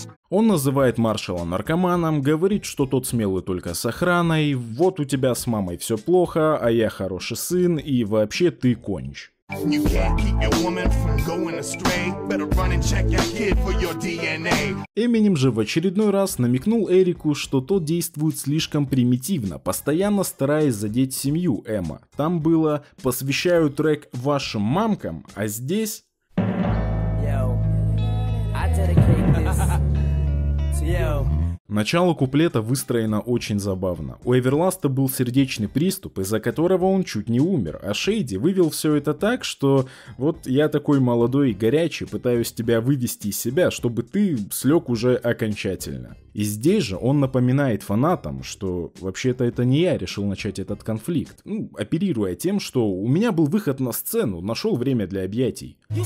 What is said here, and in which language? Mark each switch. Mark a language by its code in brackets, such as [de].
[ru] Он называет маршала наркоманом, говорит, что тот смелый только с охраной, вот у тебя с мамой все плохо, а я хороший сын, и вообще ты конч. [en] You can't keep your woman from going astray. Better run and check your kid for your DNA. [ru] Eminem же в очередной раз намекнул Эрику, что тот действует слишком примитивно, постоянно стараясь задеть семью Эмма. Там было «Посвящаю трек вашим мамкам», а здесь... [en] Yo, I dedicate this to you. [ru] Начало куплета выстроено очень забавно. У Эверласта был сердечный приступ, из-за которого он чуть не умер, а Шейди вывел все это так, что вот я такой молодой и горячий, пытаюсь тебя вывести из себя, чтобы ты слег уже окончательно. И здесь же он напоминает фанатам, что вообще-то это не я решил начать этот конфликт, ну, оперируя тем, что у меня был выход на сцену, нашел время для объятий.